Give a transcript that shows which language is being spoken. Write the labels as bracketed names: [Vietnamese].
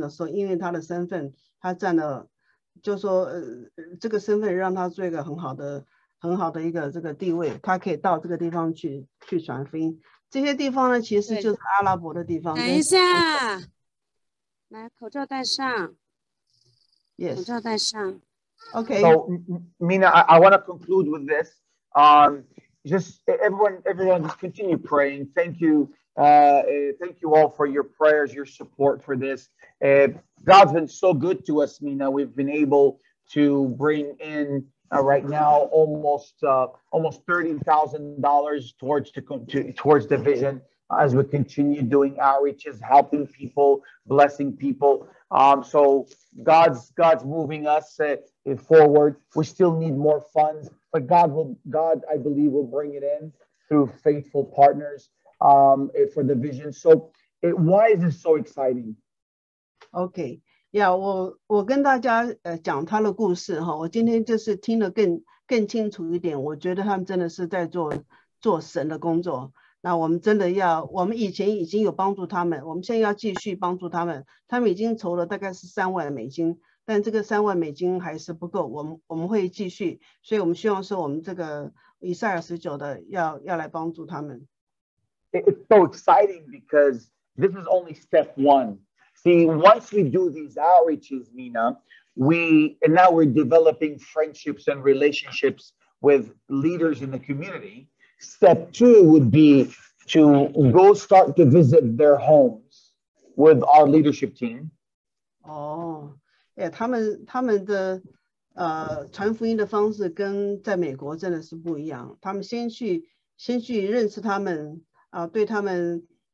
[Chinese] 那他不只是以色列人，他也是阿拉伯人。那他需要做这些事情的时候，因为他的身份，他站了 就说这个身份让他做一个很好的一个这个地位，他可以到这个地方去传福音。这些地方呢，其实就是阿拉伯的地方。等一下，来口罩戴上。Yes。口罩戴上。Okay. [English] So, Mina, I want to conclude with this. Just everyone, just continue praying. Thank you. Thank you all for your prayers, your support for this. God's been so good to us, Mina. We've been able to bring in right now almost $30,000 towards the vision as we continue doing outreaches, helping people, blessing people. So God's moving us forward. We still need more funds, but God, I believe, will bring it in through faithful partners for the vision. So why is this so exciting? [Chinese] Okay, yeah, 我跟大家讲他的故事哈，我今天就是听得更清楚一点，我觉得他们真的是在做神的工作。那我们真的要，我们以前已经有帮助他们，我们现在要继续帮助他们。他们已经筹了大概是3万美金，但这个3万美金还是不够，我们会继续。所以我们希望说我们这个以赛亚19的要来帮助他们。 [English] It's so exciting because this is only step one. See, once we do these outreaches, Mina, now we're developing friendships and relationships with leaders in the community. Step two would be to go start to visit their homes with our leadership team. [Chinese] Oh, yeah, 他们的传福音的方式跟在美国真的是不一样。他们先去认识他们，对他们。